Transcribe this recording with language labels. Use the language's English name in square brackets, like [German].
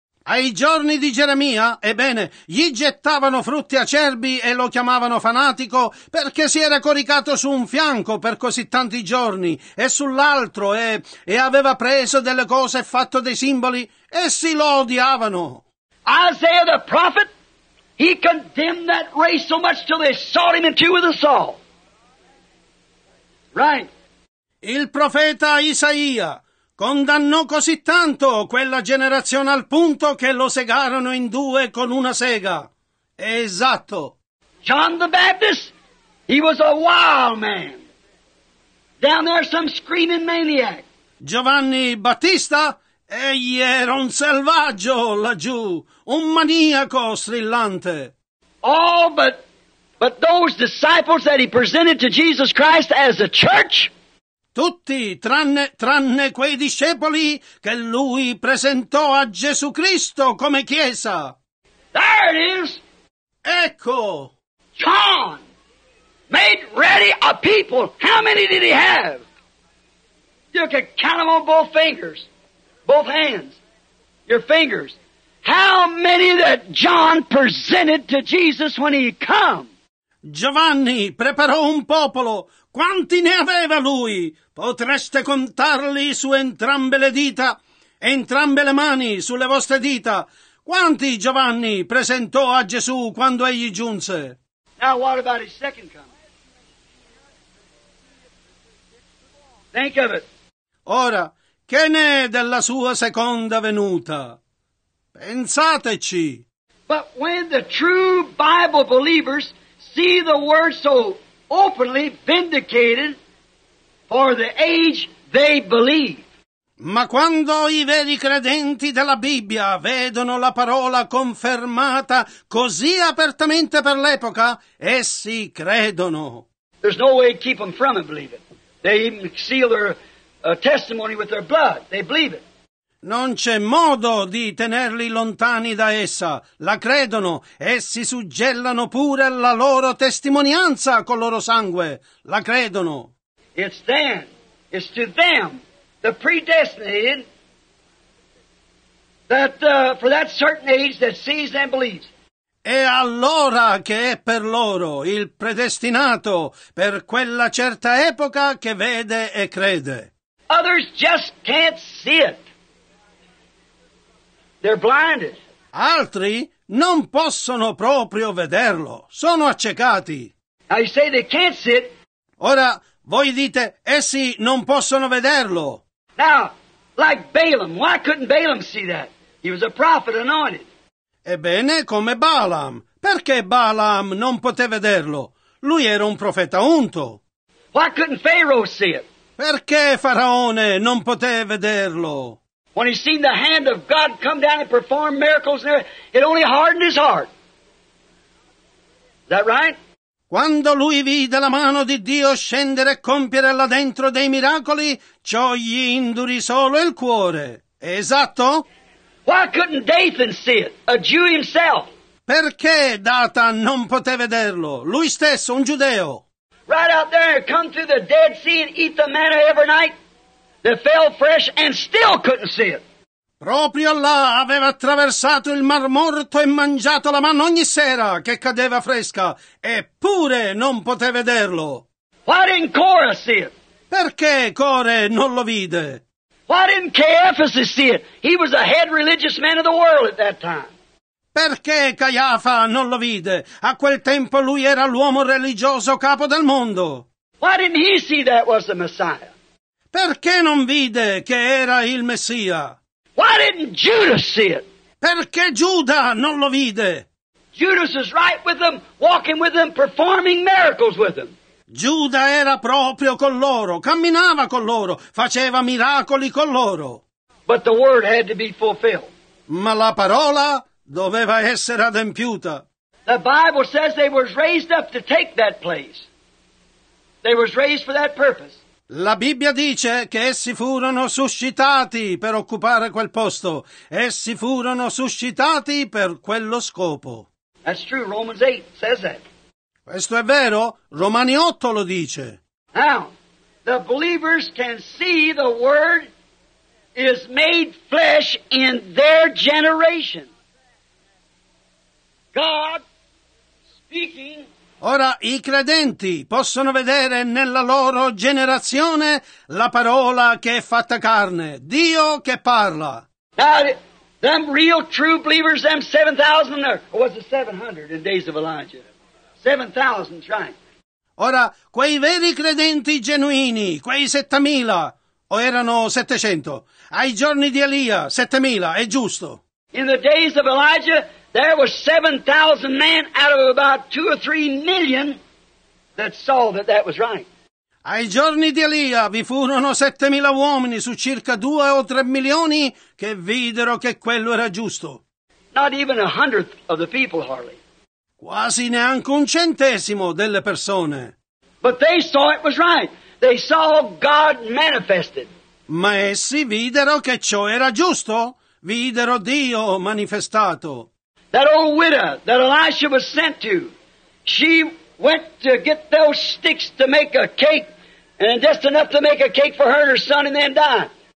[Italian] Ai giorni di Geremia, ebbene, gli gettavano frutti acerbi e lo chiamavano fanatico perché si era coricato su un fianco per così tanti giorni e sull'altro e aveva preso delle cose e fatto dei simboli, essi lo odiavano. [English] Isaiah the prophet, he condemned that race so much till they sawed him in two with a saw. Right. [Italian] Il profeta Isaia condannò così tanto quella generazione al punto che lo segarono in due con una sega. Esatto. [English] John the Baptist, he was a wild man. Down there some screaming maniac. [Italian] Giovanni Battista, egli era un selvaggio laggiù, un maniaco strillante. [English] Oh, but those disciples that he presented to Jesus Christ as a church? [Italian] Tutti, tranne quei discepoli che lui presentò a Gesù Cristo come chiesa. [English] There it is! [Italian] Ecco! [English] John made ready a people. How many did he have? You can count them on both fingers. Both hands, your fingers. How many that John presented to Jesus when he come? [Italian] Giovanni preparò un popolo. Quanti ne aveva lui? Potreste contarli su entrambe le dita, entrambe le mani sulle vostre dita. Quanti Giovanni presentò a Gesù quando egli giunse? [English] Now what about his second coming? Think of it. [Italian] Ora, che ne è della sua seconda venuta? Pensateci! [English] But when the true Bible believers see the word so openly vindicated for the age they believe. [Italian] Ma quando i veri credenti della Bibbia vedono la parola confermata così apertamente per l'epoca, essi credono. [English] There's no way to keep them from it, believe it. They even seal their a testimony with their blood. They believe it. [Italian] Non c'è modo di tenerli lontani da essa. La credono. Essi suggellano pure la loro testimonianza col loro sangue. La credono. [English] It's then. It's to them, the predestinated, that for that certain age that sees and believes. [Italian] E allora che è per loro il predestinato per quella certa epoca che vede e crede. [English] Others just can't see it. They're blinded. [Italian] Altri non possono proprio vederlo. Sono accecati. [English] I say they can't see it. [Italian] Ora, voi dite, essi non possono vederlo. [English] Now, like Balaam, why couldn't Balaam see that? He was a prophet anointed. [Italian] Ebbene, come Balaam. Perché Balaam non poteva vederlo? Lui era un profeta unto. [English] Why couldn't Pharaoh see it? [Italian] Perché Faraone non poté vederlo? [English] when he seen the hand of God come down and perform miracles, and it only hardened his heart. Is that right? [Italian] Quando lui vide la mano di Dio scendere e compiere là dentro dei miracoli, ciò gli indurì solo il cuore. Esatto? [English] Why couldn't Dathan see it? A Jew himself. [Italian] Perché Dathan non poté vederlo? Lui stesso, un giudeo. [English] Right out there, come through the Dead Sea and eat the manna every night. They fell fresh and still couldn't see it. [Italian] Proprio là aveva attraversato il Mar Morto e mangiato la manna ogni sera che cadeva fresca, eppure non poté vederlo. [English] Why didn't Korah see it? [Italian] Perché Core non lo vide? [English] Why didn't Caiaphas see it? He was the head religious man of the world at that time. [Italian] Perché Caiafa non lo vide? A quel tempo lui era l'uomo religioso capo del mondo. [English] Why didn't he see that was the Messiah? [Italian] Perché non vide che era il Messia? [English] Why didn't Judas see it? [Italian] Perché Giuda non lo vide? [English] Judas is right with them, walking with them, performing miracles with them. [Italian] Giuda era proprio con loro, camminava con loro, faceva miracoli con loro. [English] But the word had to be fulfilled. [Italian] Ma la parola doveva essere adempiuta. [English] The Bible says they were raised up to take that place. They were raised for that purpose. [Italian] La Bibbia dice che essi furono suscitati per occupare quel posto. Essi furono suscitati per quello scopo. [English] That's true. Romans 8 says that. [Italian] Questo è vero. Romani 8 lo dice. [English] Now, the believers can see the word is made flesh in their generation. God speaking. [Italian] Ora i credenti possono vedere nella loro generazione la parola che è fatta carne, Dio che parla. [English] Now, them real true believers, them 7,000, or was it 700 in days of Elijah? 7,000, right. [Italian] Ora, quei veri credenti genuini, quei 7,000, o erano 700, ai giorni di Elia, 7,000, è giusto. [English] In the days of Elijah, there was 7,000 men out of about 2 or 3 million that saw that that was right. [Italian] Ai giorni di Elia vi furono 7,000 uomini su circa 2 o 3 milioni che videro che quello era giusto. [English] Not even a hundredth of the people, hardly. [Italian] Quasi neanche un centesimo delle persone. [English] But they saw it was right. They saw God manifested. [Italian] Ma essi videro che ciò era giusto. Videro Dio manifestato. [English] That old widow that Elisha was sent to, she went to get those sticks to make a cake, and just enough to make a cake for her and her son, and then die.